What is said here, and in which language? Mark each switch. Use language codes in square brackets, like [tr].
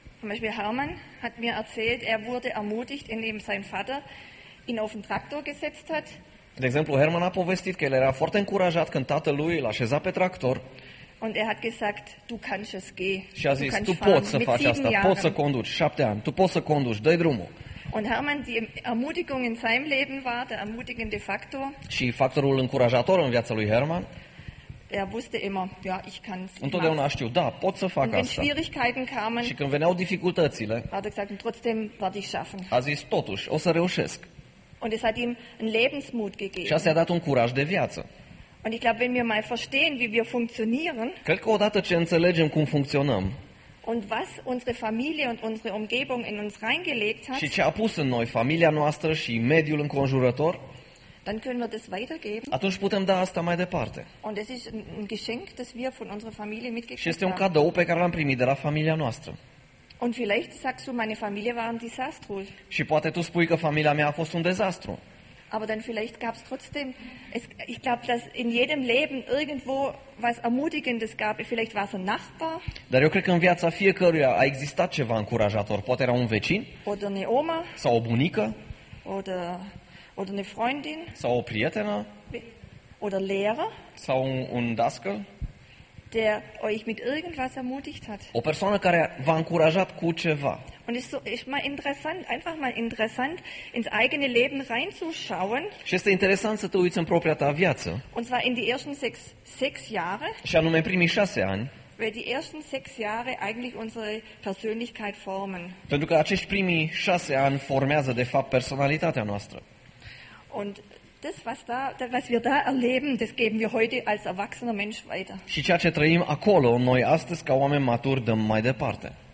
[de] Zum Beispiel Hermann hat mir erzählt, er wurde ermutigt, indem sein Vater ihn auf den Traktor gesetzt hat. [ro] De exemplu, Hermann a povestit că el era foarte încurajat când tatăl lui l-a așezat pe tractor. [de] Und er hat gesagt, du kannst es gehen. [ro] Și a zis, tu poți să faci asta, poți să conduci, 7 ani, tu poți să conduci, dă-i drumul. [de] Und Hermann, die Ermutigung in seinem Leben war der ermutigende Faktor. [ro] Și factorul încurajator în viața lui Hermann. [de] Er wusste immer, ja, ich kann es. [ro] Întotdeauna știu, da, pot să fac asta. [de] Und wenn Schwierigkeiten kamen. [ro] Și când veneau dificultățile. [de] Hat er gesagt, trotzdem werde ich schaffen. [ro] A zis, totuși, o să reușesc. [de] Und es hat ihm einen Lebensmut gegeben. [ro] Și asta i-a dat un curaj de viață. [de] Und ich glaube, wenn wir mal verstehen, wie wir funktionieren. [ro] Cred că odată ce înțelegem cum funcționăm. [de] Und was unsere Familie und unsere Umgebung in uns reingelegt hat. [ro] Și ce a pus în noi familia noastră și mediul înconjurător. [de] Dann können wir das weitergeben. [ro] Atunci putem da asta mai departe. [de] Und es ist ein Geschenk, das wir von unserer Familie mitgekriegt haben. [ro] Și este un cadou pe care l-am primit de la familia noastră. [de] Und vielleicht sagst du, meine Familie war ein Desaster. [ro] Și poate tu spui că familia mea a fost un dezastru. [de] Aber dann vielleicht gab's trotzdem, es, ich glaube, dass in jedem Leben irgendwo was Ermutigendes gab. Vielleicht war es ein Nachbar. [ro] Dar eu cred că în viața fiecăruia a existat ceva încurajator. Poate era un vecin. [de] Oder eine Oma. [ro] Sau o bunică. [de] Oder eine Freundin. [ro] Sau o prietenă. [de] Oder Lehrer. [ro] Sau un dascăl. [de] Der euch mit irgendwas ermutigt hat. [ro] O persoană care v-a încurajat cu ceva. [de] Und es ist mal interessant, einfach mal interessant ins eigene Leben reinzuschauen. [ro] Și este interesant să te uiți în propria ta viață. [de] Und zwar in die ersten sechs Jahre. [ro] Și anume în primii 6 ani. [de] Weil die ersten sechs Jahre eigentlich unsere Persönlichkeit formen. [ro] Pentru că acești primii 6 ani formează de fapt personalitatea noastră. [de] Und das, was wir da erleben, das geben wir heute als erwachsener Mensch weiter. [ro] Și ceea ce trăim acolo, noi astăzi ca oameni maturi dăm mai departe.